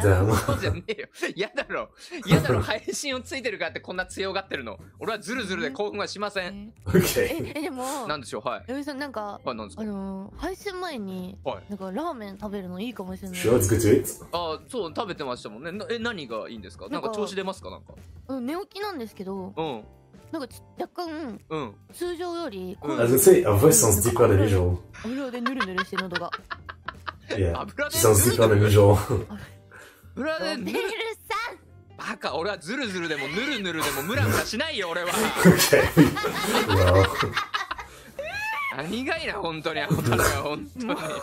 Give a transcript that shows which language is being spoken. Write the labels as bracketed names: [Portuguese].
[Japanese] そうじゃねえよ、嫌だろ嫌だろ、配信をついてるからってこんな強がってるの、俺はズルズルで興奮はしません。え、でもなんでしょう、はい、ヨミさん、なんか、はい、なんですか、配信前に、はい、なんかラーメン食べるのいいかもしれない。しょうがつくじ、そう、食べてましたもんね。え、何がいいんですか、なんか調子出ますか、なんか、うん、寝起きなんですけど、うん、なんか若干、うん、通常より、 [English] うん、As I say, a voice sounds deeper than usual. [Japanese] 油でぬるぬるして喉が。 [English] Yeah, sounds deeper than usual. [Japanese] 油でぬるぬるさん。バカ、俺はズルズルでもぬるぬるでもムラムラしないよ、俺は。 [English] Okay. [Japanese] 何がいな、本当に、あんたら、本当に。